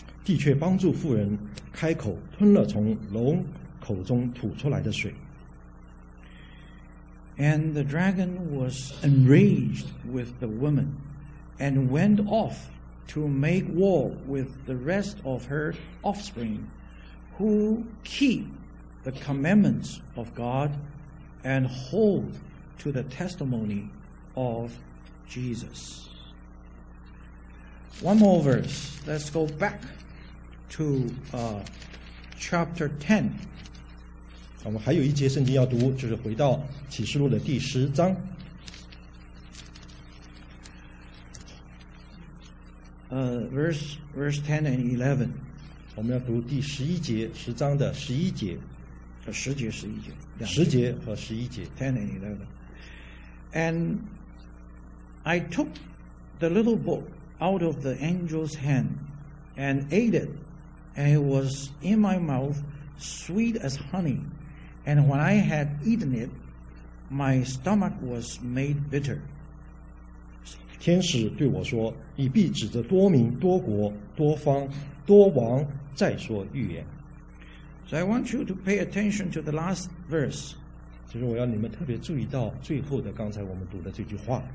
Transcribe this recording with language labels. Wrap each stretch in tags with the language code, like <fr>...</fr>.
<zh>地却帮助妇人开口吞了从龙口中吐出来的水。</zh> <en>And the dragon was enraged with the woman and went off to make war with the rest of her offspring who keep the commandments of God and hold to the testimony of Jesus. One more verse. Let's go back to chapter 10.</en> <zh>我们还有一节圣经要读，就是回到启示录的第十章。</zh> <en>Verse 10 and 11。</en> <zh>我们要读第十一节，十章的十一节。十节。十节和十一节。</zh> <en>10 and 11。 And I took the little book out of the angel's hand and ate it, and it was in my mouth sweet as honey. And when I had eaten it, my stomach was made bitter.</en> <zh>天使对我说，你必指着多民、多国、多方、多王再说预言。</zh> <en>So I want you to pay attention to the last verse.</en> <zh>其实我要你们特别注意到最后的刚才我们读的这句话。</zh>